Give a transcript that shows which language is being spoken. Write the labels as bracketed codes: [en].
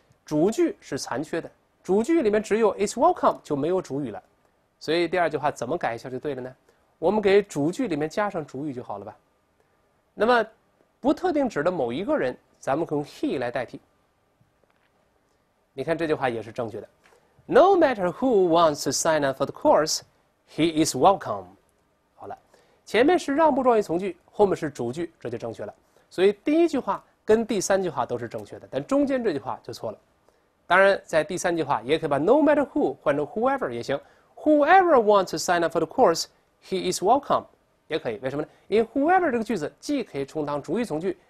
[zh] 主句是残缺的，主句里面只有 [en] it's welcome [zh] 就没有主语了，所以第二句话怎么改一下就对了呢？我们给主句里面加上主语就好了吧。那么不特定指的某一个人，咱们可用 he 来代替。你看这句话也是正确的。 [en] No matter who wants to sign up for the course, he is welcome。 [zh] 好了，前面是让步状语从句，后面是主句，这就正确了。所以第一句话跟第三句话都是正确的，但中间这句话就错了。当然在第三句话也可以把 [en] no matter who [zh] 换成 whoever 也行， [en] whoever wants to sign up for the course he is welcome [zh] 也可以。为什么呢？因为 whoever 这个句子既可以充当主语从句，